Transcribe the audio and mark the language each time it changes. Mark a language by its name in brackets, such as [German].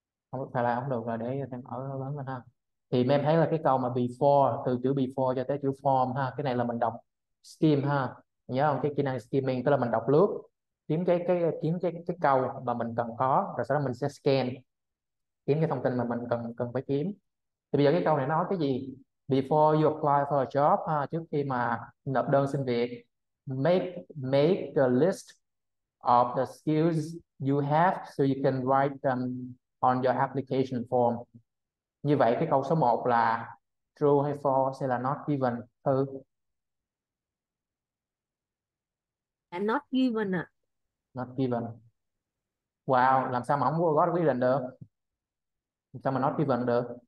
[Vietnamese] Không phải là không được rồi, để em ở lớn lên ha. Thì mấy em thấy là cái câu mà before, từ chữ before cho tới chữ form ha, cái này là mình đọc skim ha. Nhớ không? Cái kỹ năng skimming tức là mình đọc lướt, kiếm cái câu mà mình cần có, rồi sau đó mình sẽ scan kiếm cái thông tin mà mình cần cần phải kiếm. Thì bây giờ cái câu này nói cái gì? [English] Before you apply for a job, ha, [Vietnamese] trước khi mà nộp đơn xin việc, [English] make a list of the skills you have so you can write them on your application form. [Vietnamese] Như vậy cái câu số 1 là true hay false, sẽ là [English] not given. Not given ạ. Not given. [Vietnamese] Wow, làm sao mà không có quyết định được? Làm sao mà [English] not given [Vietnamese] được?